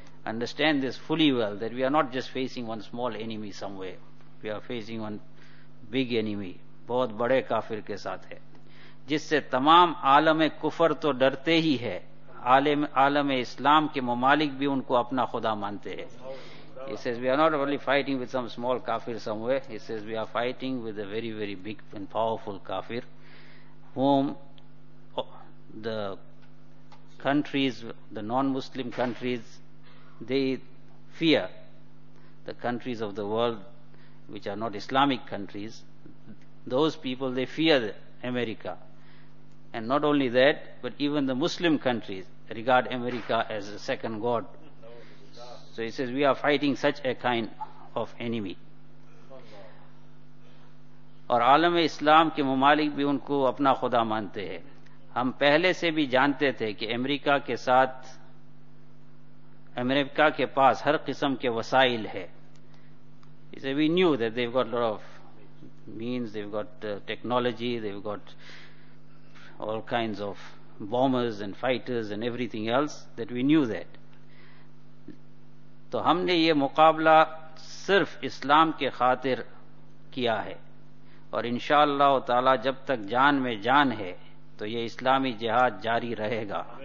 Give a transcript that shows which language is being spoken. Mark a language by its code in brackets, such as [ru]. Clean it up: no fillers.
[en] understand this fully well that we are not just facing one small enemy some way, we are facing one big enemy, [ur] بہت بڑے کافر کے ساتھ ہے, جس سے تمام عالم کفر تو ڈرتے ہی ہے, عالم اسلام کے ممالک بھی ان کو اپنا خدا مانتے ہیں. [en] He says, we are not only fighting with some small kafir somewhere. He says, we are fighting with a very, very big and powerful kafir whom the countries, the non-Muslim countries, they fear. The countries of the world which are not Islamic countries, those people, they fear America. And not only that, but even the Muslim countries regard America as a second god. So he says, we are fighting such a kind of enemy. [ur] اور عالم اسلام کے ممالک بھی ان کو اپنا خدا مانتے ہیں. ہم پہلے سے بھی جانتے تھے کہ امریکہ کے پاس ہر قسم کے وسائل ہے. [en] He says, we knew that they've got a lot of means, they've got technology, they've got all kinds of bombers and fighters and everything else, that we knew that. [ur] تو ہم نے یہ مقابلہ صرف اسلام کے خاطر کیا ہے, اور انشاءاللہ تعالی جب تک جان میں جان ہے تو یہ اسلامی جہاد جاری رہے گا.